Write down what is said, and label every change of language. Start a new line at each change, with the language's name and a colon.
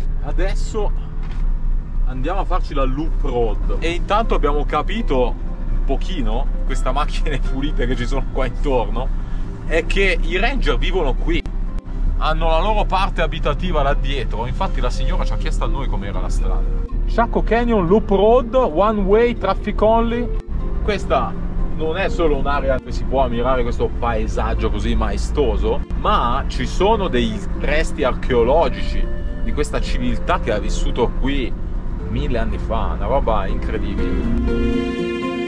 Italian: Adesso andiamo a farci la loop road. E intanto abbiamo capito un pochino, queste macchine pulite che ci sono qua intorno, è che i ranger vivono qui. Hanno la loro parte abitativa là dietro, infatti la signora ci ha chiesto a noi com'era la strada.
English: Chaco Canyon Loop Road, one way, traffic only.
Italian: Questa non è solo un'area dove si può ammirare questo paesaggio così maestoso, ma ci sono dei resti archeologici di questa civiltà che ha vissuto qui 1000 anni fa, una roba incredibile.